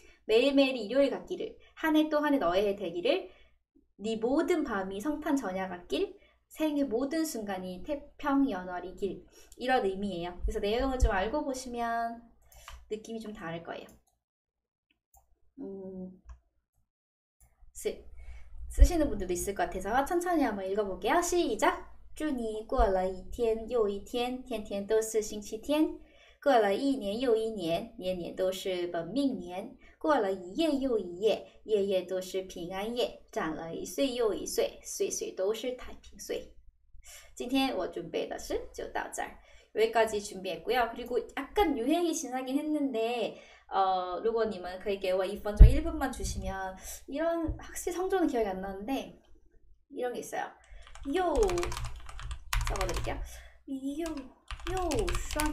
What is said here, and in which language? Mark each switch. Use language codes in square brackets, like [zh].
[ko] 매일매일이 일요일 같기를, 한해또한해 너의 해 되기를, 네 모든 밤이 성탄 전야 같길, 생의 모든 순간이 태평연월이길, 이런 의미예요. 그래서 내용을 좀 알고 보시면 느낌이 좀 다를 거예요. 쓰시는 분들도 있을 것 같아서 천천히 한번 읽어볼게요. 시작! [zh] 祝你过了一天又一天，天天都是星期天。过了一年又一年，年年都是本命年。过了一夜又一夜，夜夜都是平安夜。长了一岁又一岁，岁岁都是太平岁。今天我准备的是就到这儿。 [ko] 여기까지 준비했고요. 그리고 약간 유행이 지나긴 했는데, [zh] 如果 你们可以给我 [ko] 1분 중 1분만 주시면, 이런 확실히 성조는 기억이 안 나는데 이런 게 있어요. 요 써볼게요. 요, 요双.